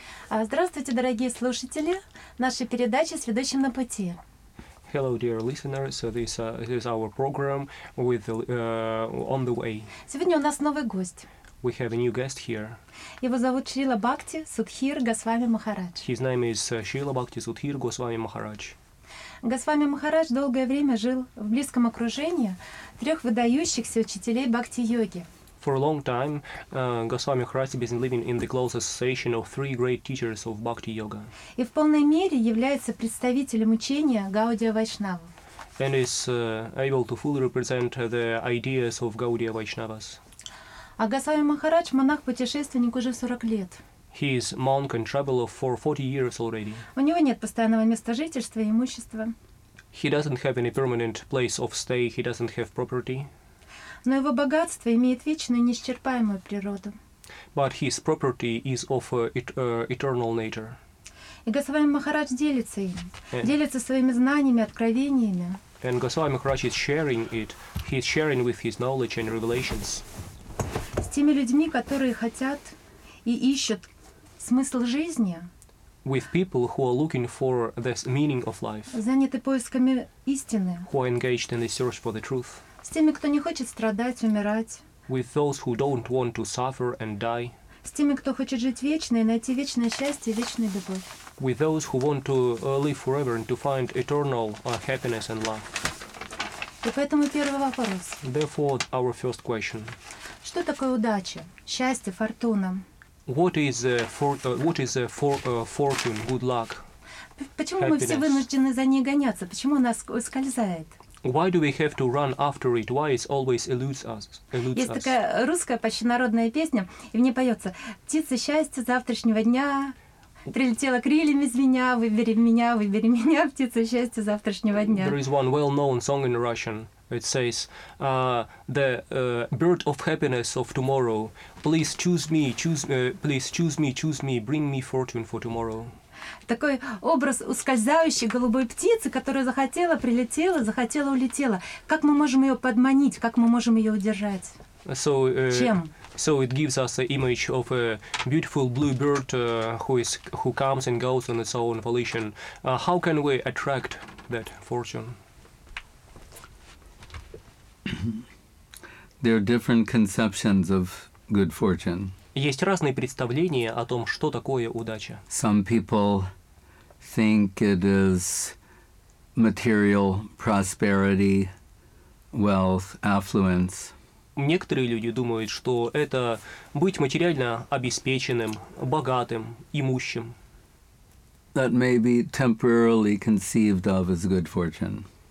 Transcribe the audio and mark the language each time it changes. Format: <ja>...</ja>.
<ru>Здравствуйте, дорогие слушатели нашей передачи «С ведущим на пути».</ru> <en>Hello, dear listeners. So this is our program with on the way.</en> <ru>Сегодня у нас новый гость.</ru> <en>We have a new guest here.</en> <ru>Его зовут Шрила Бхакти Судхир Госвами Махарадж.</ru> <en>His name is Шрила Бхакти Судхир Госвами Махарадж.</en> <ru>Госвами Махарадж долгое время жил в близком окружении трех выдающихся учителей бхакти-йоги.</ru> <en>For a long time, Госвами Махарадж has been living in the close association of three great teachers of bhakti yoga.</en> <ru>И в полной мере является представителем учения Гаудия Вайшнава.</ru> <en>And is able to fully represent the ideas of Gaudiya Vaishnavas.</en> <ru>А Госвами Махарадж монах-путешественник уже 40 лет.</ru> <en>He is monk and traveler for 40 years already.</en> <ru>У него нет постоянного места жительства и имущества.</ru> <en>He doesn't have any permanent place of stay. He doesn't have property.</en> <ru>Но его богатство имеет вечную, неисчерпаемую природу.</ru> <en>But his property is of eternal nature.</en> <ru>И Госвами Махарадж делится им, делится своими знаниями, откровениями.</ru> <en>And Госвами Махарадж is sharing it. He is sharing with his knowledge and revelations.</en> <ru>С теми людьми, которые хотят и ищут смысл жизни.</ru> <en>With people who are looking for the meaning of life.</en> <ru>Заняты поисками истины.</ru> <en>Who are engaged in the search for the truth.</en> <ru>С теми, кто не хочет страдать, умирать.</ru> <en>With those who don't want to suffer and die.</en> <ru>С теми, кто хочет жить вечно и найти вечное счастье и вечную любовь.</ru> <en>With those who want to live forever and to find eternal happiness and love.</en> <ru>И поэтому первый вопрос.</ru> <en>Therefore, our first question.</en> <ru>Что такое удача, счастье, фортуна?</ru> <en>What is fortune, good luck?</en> <ru>Почему мы все вынуждены за ней гоняться? Почему она ускользает?</ru> <en>Why do we have to run after it? Why it always eludes us?</en> <ru>Есть такая русская почти народная песня, и в ней поется: «Птица счастья завтрашнего дня прилетела крыльями из меня, выбери меня, выбери меня, птица счастья завтрашнего дня».</ru> <en>There is one well-known song in Russian. It says, bird of happiness of tomorrow, please choose me, bring me fortune for tomorrow».</en> <ru>Такой образ ускользающей голубой птицы, которая захотела, прилетела, захотела, улетела. Как мы можем ее подманить, как мы можем ее удержать? Чем?</ru> <en>So it gives us an image of a beautiful blue bird who comes and goes on its own volition. How can we attract that fortune? There are different conceptions of good fortune.</en> <ru>Есть разные представления о том, что такое удача.</ru> <en>Some people think it is material prosperity, wealth, affluence.</en> <ru>Некоторые люди думают, что это быть материально обеспеченным, богатым, имущим.</ru> <en>That may be temporarily conceived of as good fortune.</en>